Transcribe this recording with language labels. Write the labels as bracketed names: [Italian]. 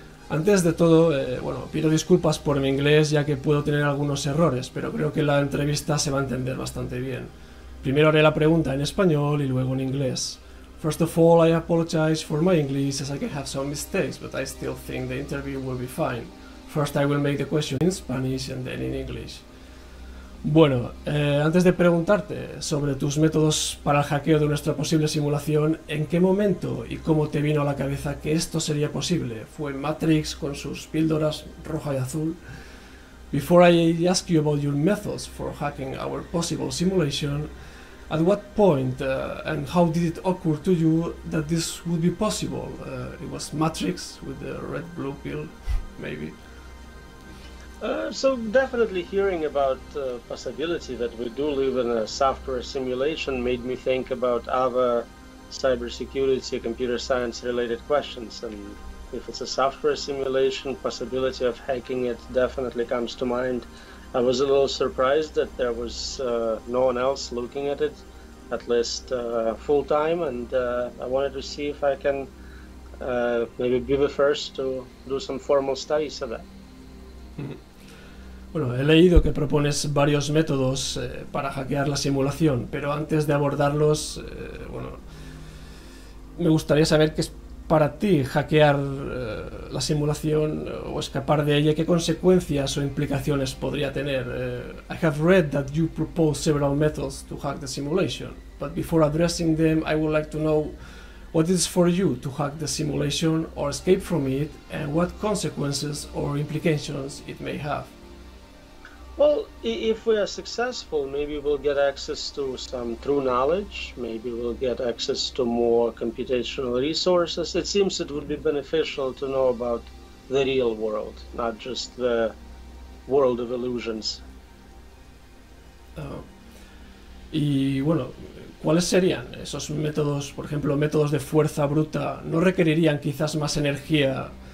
[Spanish] Antes de todo, bueno, pido disculpas por mi inglés, ya que puedo tener algunos errores, pero creo que la entrevista se va a entender bastante bien. Primero haré la pregunta en español y luego en inglés. [English] First of all, I apologize for my English, as I can have some mistakes, but I still think the interview will be fine. First, I will make the question in Spanish and then in English. [Spanish] Bueno, antes de preguntarte sobre tus métodos para el hackeo de nuestra posible simulación, ¿en qué momento y cómo te vino a la cabeza que esto sería posible? ¿Fue Matrix con sus píldoras roja y azul? [English] Before I ask you about your methods for hacking our possible simulation, at what point and how did it occur to you that this would be possible? It was Matrix with the red blue pill, maybe. So definitely hearing about the possibility that we do live in a software simulation made me think about other cybersecurity, computer science related questions. And if it's a software simulation, possibility of hacking it definitely comes to mind. I was a little surprised that there was no one else looking at it, at least full time, and I wanted to see if I can maybe be the first to do some formal studies of that. [Spanish] Bueno, he leído que propones varios métodos para hackear la simulación, pero antes de abordarlos, bueno, me gustaría saber qué es para ti hackear la simulación o escapar de ella, qué consecuencias o implicaciones podría tener. [English] I have read that you propose several methods to hack the simulation, but before addressing them, I would like to know what is for you to hack the simulation or escape from it, and what consequences or implications it may have. Well, if we are successful, maybe we'll get access to some true knowledge. Maybe we'll get access to more computational resources. It seems it would be beneficial to know about the real world, not just the world of illusions. [Spanish] Y bueno, ¿cuáles serían esos métodos, por ejemplo, métodos de fuerza bruta? ¿No requerirían quizás más energía